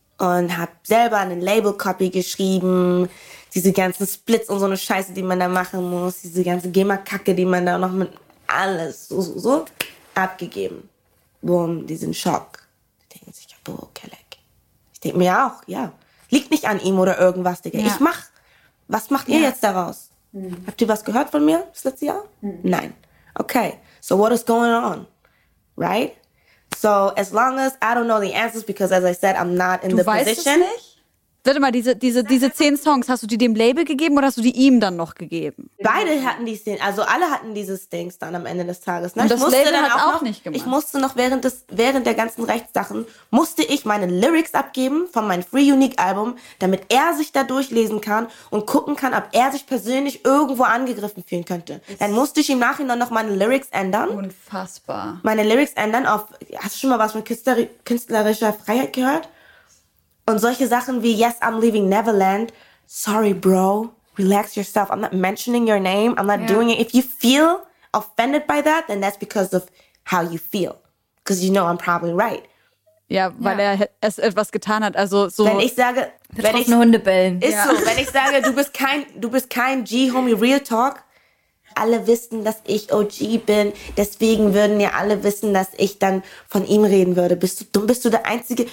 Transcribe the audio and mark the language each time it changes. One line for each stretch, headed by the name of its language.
German: Und hab selber einen Label-Copy geschrieben, diese ganzen Splits und so eine Scheiße, die man da machen muss, diese ganze GEMA-Kacke, die man da noch mit alles so abgegeben. Boom, diesen Schock. Die denken sich, boah, okay, leck. Ich denk mir auch, ja, liegt nicht an ihm oder irgendwas, Digga. Ja. Ich mach, was macht ihr jetzt daraus? Hm. Habt ihr was gehört von mir das letzte Jahr? Hm.
English: Nein. Okay, so what is going on? Right? So, as long as I don't know the answers, because as I said, I'm not in
German: du
English: the position.
German: Du weißt es nicht? Warte mal, diese 10 Songs, hast du die dem Label gegeben oder hast du die ihm dann noch gegeben? Beide hatten die 10, also alle hatten diese Stings dann am Ende des Tages. Ne? Und das Label dann hat auch noch, nicht gemacht. Ich musste noch während der ganzen Rechtssachen, musste ich meine Lyrics abgeben von meinem Free Unique Album, damit er sich da durchlesen kann und gucken kann, ob er sich persönlich irgendwo angegriffen fühlen könnte. Dann musste ich im Nachhinein noch meine Lyrics ändern. Unfassbar. Meine Lyrics ändern auf, hast du schon mal was von künstlerischer Freiheit gehört? Und solche Sachen wie,
English: yes, I'm leaving Neverland. Sorry, bro. Relax yourself. I'm not mentioning your name. I'm not doing it. If you feel offended by that, then that's because of how you feel. Because you know I'm probably right.
German: Ja, weil er es etwas getan hat. Also so. Wenn ich sage, wenn ich Hunde bellen. Ist so. Wenn ich sage, du bist kein G,
English: homie, real talk.
German: Alle wissen, dass ich OG bin. Deswegen würden ja alle wissen, dass ich dann von ihm reden würde. Bist du dumm? Bist du der Einzige?